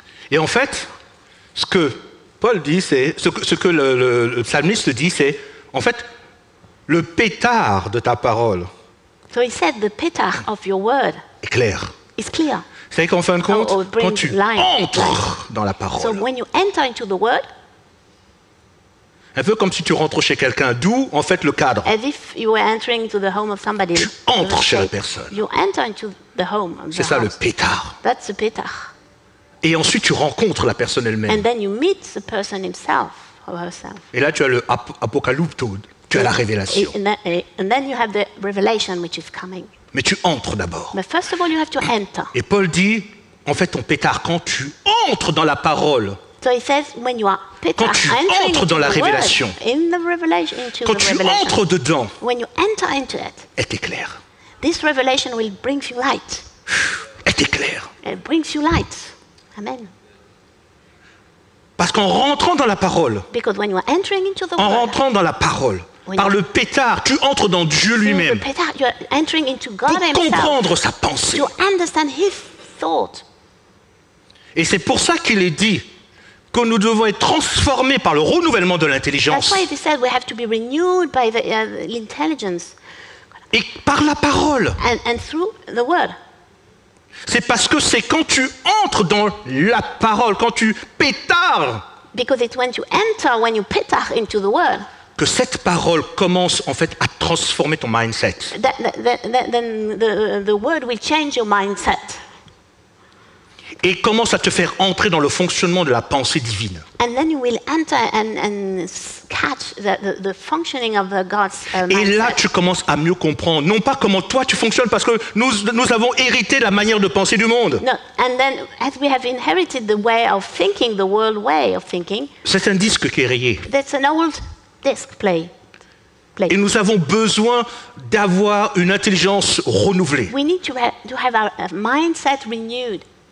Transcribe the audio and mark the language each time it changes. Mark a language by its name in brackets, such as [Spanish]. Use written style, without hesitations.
[French] Et en fait, ce que Paul dit, c'est, ce que le psalmiste dit, c'est, en fait, le pétard de ta parole. [English] So he said the pétard of your word. [French] Est clair. [English] Is clear. [French] C'est qu'en fin de compte, quand tu entres dans la parole. [English] So when you enter into the word. [French] Un peu comme si tu rentres chez quelqu'un, d'où en fait le cadre. [English] As if you were entering into the home of somebody. [French] Tu entres chez la personne. [English] You enter into the home. [French] C'est ça le pétard. [English] That's the pétard. [French] Et ensuite tu rencontres la personne elle-même. [English] And then you meet the person himself or herself. [French] Et là tu as le apocalypto, tu as la révélation. [English] And then you have the revelation which is coming. [French] Mais tu entres d'abord. [English] But first of all you have to enter. [French] Et Paul dit, en fait ton pétard, quand tu entres dans la parole. [English] So he says, when you are Peter, [French] quand tu entres dans la révélation, quand tu entres dedans, [English] when you enter into it, [French] elle t'éclaire. [English] This revelation will bring you light. [French] Elle t'éclaire. [English] It brings you light. Amen. [French] Parce qu'en rentrant dans la parole, [English] because when you are entering into the word, [French] en rentrant dans la parole, par le pétard, tu entres dans Dieu lui-même. [English] The pétard, you are entering into God [French] pour [English] himself, [French] comprendre sa pensée. [English] To understand his thought. [French] Et c'est pour ça qu'il est dit que nous devons être transformés par le renouvellement de l'intelligence. [English] That's why it is said we have to be renewed by the intelligence. [French] Et par la parole. [English] And through the word. [French] C'est parce que c'est quand tu entres dans la parole, quand tu pétards. [English] Because it's when you enter, when you pétard into the word. [French] Que cette parole commence en fait à transformer ton mindset. [English] Then the word will change your mindset. [French] Et commence à te faire entrer dans le fonctionnement de la pensée divine. [English] And then you will enter and catch the functioning of the God's mindset. [French] Et là, tu commences à mieux comprendre, non pas comment toi tu fonctionnes, parce que nous avons hérité la manière de penser du monde. [English] No, and then as we have inherited the way of thinking, the world way of thinking. [French] C'est un disque qui est rayé. [English] That's an old disc play. [French] Et nous avons besoin d'avoir une intelligence renouvelée. [English] We need to have our mindset renewed.